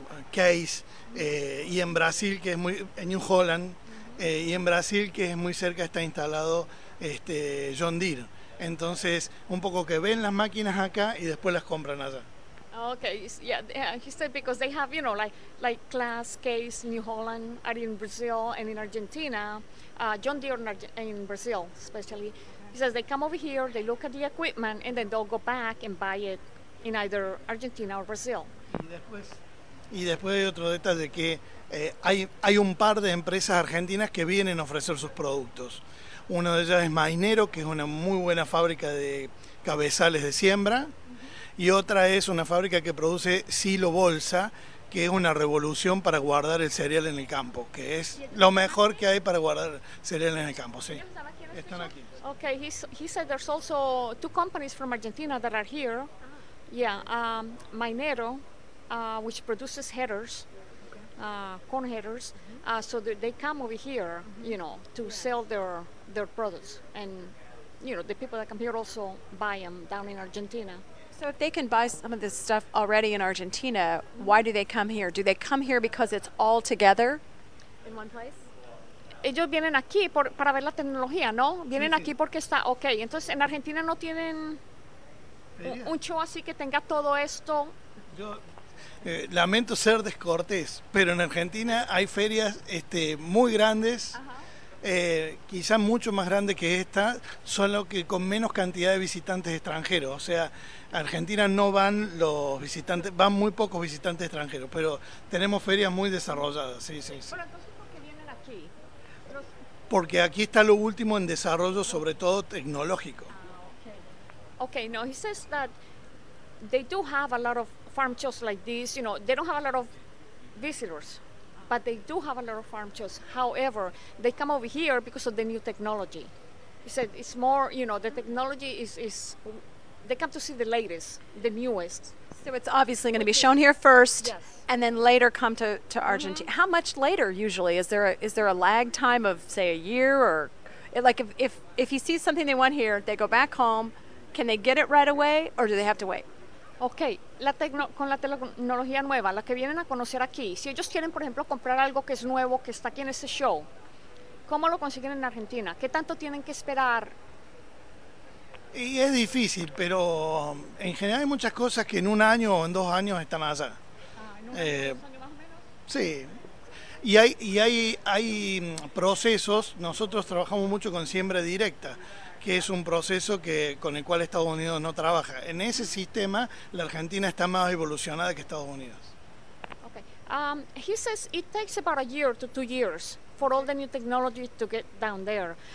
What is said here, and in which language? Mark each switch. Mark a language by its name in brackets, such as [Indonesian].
[Spanish] Case, y en Brasil, que es muy en New Holland, y en Brasil, que es muy cerca, está instalado John Deere. Entonces, un poco que ven las máquinas acá y después las compran allá. [English] Okay, yeah, he said because they have, you know, like Class, Case, New Holland are in Brazil and in Argentina, John Deere in Brazil especially. He says they come over here, they look at the equipment, and then they'll go back and buy it in either Argentina or Brazil. [Spanish] Y después hay otro detalle, que hay un par de empresas argentinas que vienen a ofrecer sus productos. Una de ellas es Mainero, que es una muy buena fábrica de cabezales de siembra. Uh-huh. Y otra es una fábrica que produce silo bolsa, que es una revolución para guardar el cereal en el campo, que es lo mejor que hay para guardar cereal en el campo. Sí. Están aquí. [English] Okay, he said there's also two companies from Argentina that are here. Yeah, Mainero, which produces headers, corn headers. So they come over here, you know, to sell their products, and you know, the people that come here also buy them down in Argentina. So if they can buy some of this stuff already in Argentina, why do they come here? Do they come here because it's all together in one place? [Spanish] Ellos vienen aquí para ver la tecnología, ¿no? Vienen aquí porque está okay. Entonces en Argentina no tienen un show así que tenga todo esto. Yo lamento ser descortés, pero en Argentina hay ferias muy grandes, quizás mucho más grandes que esta, solo que con menos cantidad de visitantes extranjeros. O sea, a Argentina no van los visitantes, van muy pocos visitantes extranjeros, pero tenemos ferias muy desarrolladas. Sí, sí, sí. Bueno, entonces, ¿por qué vienen aquí? Porque aquí está lo último en desarrollo, sobre todo tecnológico. [English] Okay, no, he says that they do have a lot of farm shows like this. You know, they don't have a lot of visitors, but they do have a lot of farm shows. However, they come over here because of the new technology. He said it's more, you know, the technology is they come to see the latest, the newest. So it's obviously going to be shown here first, yes, and then later come to Argentina. Mm-hmm. How much later usually? Is there a lag time of, say, a year? Or like if you see something they want here, they go back home, can they get it right away or do they have to wait? [Spanish] Okay, con la tecnología nueva, la que vienen a conocer aquí, si ellos quieren, por ejemplo, comprar algo que es nuevo, que está aquí en este show, ¿cómo lo consiguen en Argentina? ¿Qué tanto tienen que esperar? Y es difícil, pero en general hay muchas cosas que en un año o en dos años están allá. ¿En un año más o menos? Sí. Y hay procesos, nosotros trabajamos mucho con siembra directa, que es un proceso con el cual Estados Unidos no trabaja. En ese sistema, la Argentina está más evolucionada que Estados Unidos. [English] Okay. He says it takes about a year to 2 years for all the new technology to get down there.